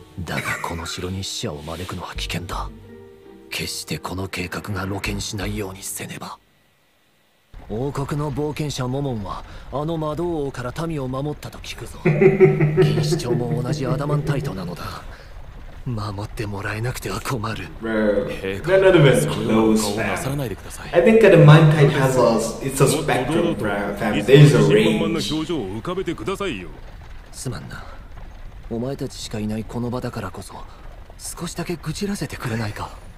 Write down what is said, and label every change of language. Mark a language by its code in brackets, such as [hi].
[ja] だがこの城に死者を招くのは危険だ。決してこの計画が露見しないようにせねば。王国の冒険者モモンはあの魔導王から民を守ったと聞くぞ。錦糸町も同じアダマンタイトなのだ。守ってもらえなくては困る。 [en] Bro, none of us knows that. I think that Mantite has a, it's a spectrum, bro. There's a range. [ja] 表情を浮かべてくださいよ。すまんな。お前たちしかいないこの場だからこそ、少しだけ愚痴らせてくれないか。